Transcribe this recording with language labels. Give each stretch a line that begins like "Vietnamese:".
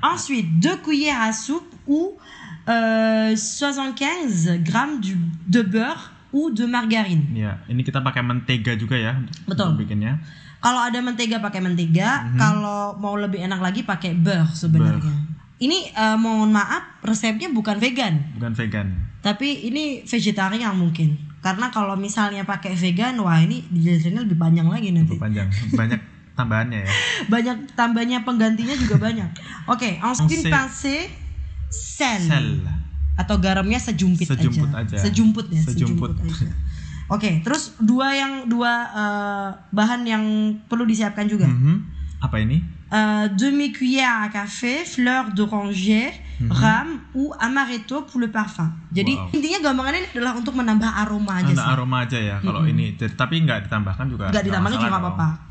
French: Ensuite, 2 cuillères à soupe ou 75 gram de beurre ou de margarine.
Indonesian: Ya, ini kita pakai mentega juga ya. Betul. Untuk bikinnya. Kalau ada mentega pakai mentega, kalau mau lebih enak lagi pakai beurre sebenarnya. Ini mohon maaf, resepnya bukan vegan. Bukan vegan. Tapi ini vegetarian mungkin. Karena kalau misalnya pakai vegan, wah ini dijelasinnya lebih panjang lagi nanti. Lebih panjang. Banyak tambahannya ya. Banyak tambahnya, penggantinya juga banyak. Oke,
French: ensuite passer sel.
Indonesian: Atau garamnya sejumput aja. Sejumput aja. Sejumput ya, sejumput. Oke, okay, terus dua bahan yang perlu disiapkan juga. Apa ini?
French: Demi cuillère à café, fleur d'oranger, rhum ou amaretto pour le parfum.
Indonesian: Jadi intinya gambarannya ini adalah untuk menambah aroma aja. Aroma aja ya. Kalau ini, tapi nggak ditambahkan juga. Nggak ditambahkan juga nggak apa-apa.